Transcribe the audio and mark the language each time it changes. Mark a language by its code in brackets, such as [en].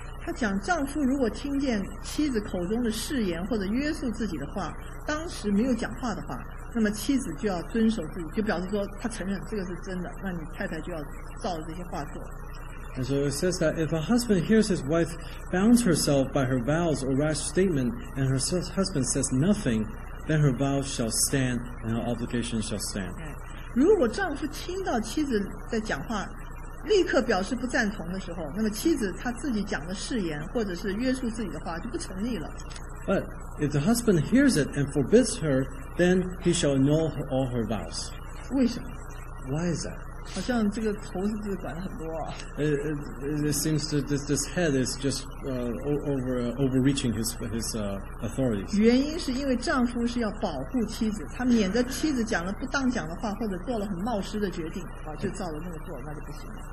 [zh] 他讲丈夫如果听见妻子口中的誓言或者约束自己的话，当时没有讲话的话，那么妻子就要遵守自己，就表示说他承认这个是真的，那你太太就要照着这些话做。 [en] And so it says that if a husband hears his wife bounds herself by her vows or rash statement, and her husband says nothing, then her vow shall stand and her obligation shall stand. [zh] 如果丈夫听到妻子在讲话立刻表示不赞同的时候，那么妻子她自己讲的誓言或者是约束自己的话就不成立了。 [en] But if the husband hears it and forbids her, then he shall annul all her vows. [zh] 为什么？ [en] Why is that? [zh] 好像这个头是自己管了很多啊。 [en] It seems that this head is just overreaching his authorities. [zh] 原因是因为丈夫是要保护妻子，他免得妻子讲了不当讲的话或者做了很冒失的决定啊，就照着那么做，那就不行了。